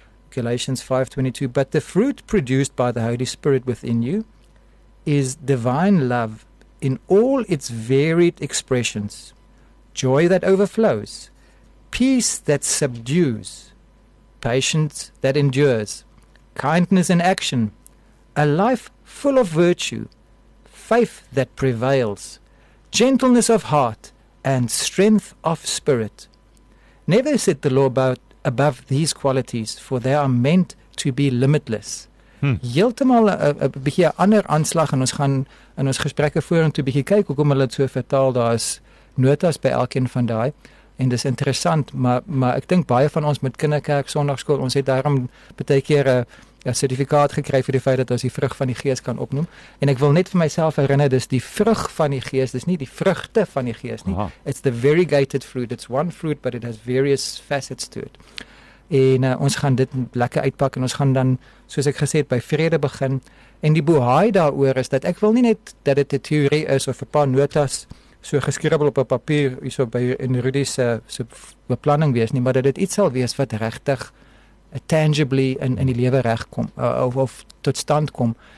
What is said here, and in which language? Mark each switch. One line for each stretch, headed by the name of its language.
English: Galatians 5:22, but the fruit produced by the Holy Spirit within you is divine love in all its varied expressions, joy that overflows, peace that subdues, patience that endures, kindness in action, a life full of virtue, faith that prevails, gentleness of heart, and strength of spirit. Never set the law above these qualities, for they are meant to be limitless.
Afrikaans: Heeltemal 'n bietjie 'n ander aanslag en ons gaan in ons gesprekke vorentoe bietjie kyk hoekom hulle dit so vertaal. Daar is notas by elkeen van daai en dis interessant, maar ek dink baie van ons met kinderkerk sonnaarskool, ons het daarom baie keer 'n sertifikaat gekry vir die feit dat ons die vrug van die gees kan opnoem. En ek wil net vir myself herinner, dis die vrug van die gees, dis nie die vrugte van die gees nie. Aha.
English: It's the variegated fruit, it's one fruit but it has various facets to it.
Afrikaans: En ons gaan dit lekker uitpak en ons gaan dan, soos ek gesê het, by vrede begin. En die bohaai daaroor is dat ek wil nie net dat dit 'n teorie is of 'n paar notas so geskribbel op 'n papier hierso by in Rudy se so beplanning wees nie, maar dat dit iets sal wees wat regtig tangibly in die lewe regkom of tot stand kom.